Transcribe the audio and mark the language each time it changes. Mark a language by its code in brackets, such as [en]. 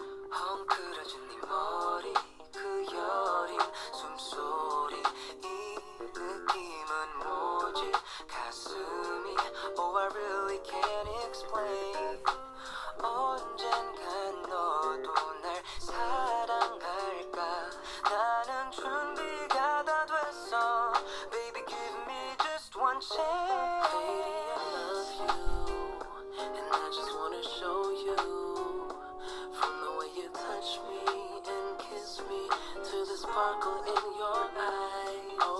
[ko] 헝클어진 네 머리 그 여린 숨소리 이 느낌은 뭐지. 가슴이 [en] oh I really can't explain. [ko] 언젠가 너도 날 사랑할까. 나는 준비가 다 됐어. [en] Baby give me just one chance. Baby I love you and I just wanna show you. From the way you touch me and kiss me to the sparkle in your eyes.